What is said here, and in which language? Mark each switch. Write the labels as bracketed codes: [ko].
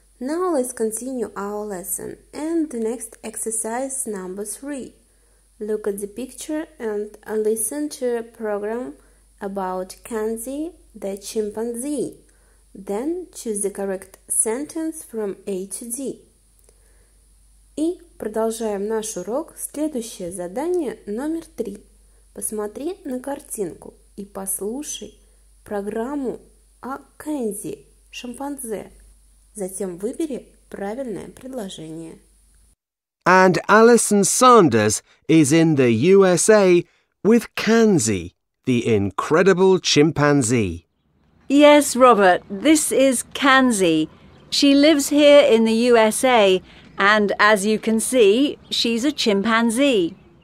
[en] Now let's continue our lesson and the next exercise number 3. Look at the picture and listen to a program about Kenzie, the chimpanzee. Then choose the correct sentence from A to D. [ru] И продолжаем наш урок. Следующее задание номер 3. Посмотри на картинку и послушай программу о Кензи, шимпанзе. Затем выбери правильное предложение. [en] And Alison Sanders is in the USA with Kenzi, the incredible chimpanzee. Yes, Robert, this is Kenzi. She lives here in the USA. And as you can see, she's a chimpanzee.